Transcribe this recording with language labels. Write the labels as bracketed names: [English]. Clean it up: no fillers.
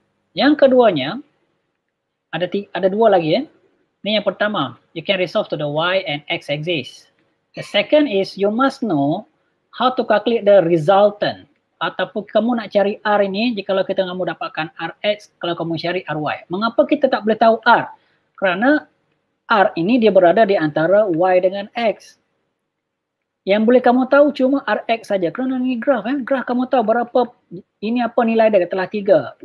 [Malay] Yang keduanya, ada dua lagi ya. Ini yang pertama, [English] you can resolve to the Y and X axis. The second is, you must know how to calculate the resultant. [Malay] Ataupun kamu nak cari R ini, jika kita kamu dapatkan Rx, kalau kamu cari Ry. Mengapa kita tak boleh tahu R? Kerana R ini dia berada di antara Y dengan X. Yang boleh kamu tahu cuma Rx saja. Kerana ini graf. Eh? Graf kamu tahu berapa, ini apa nilai dia, katalah 3.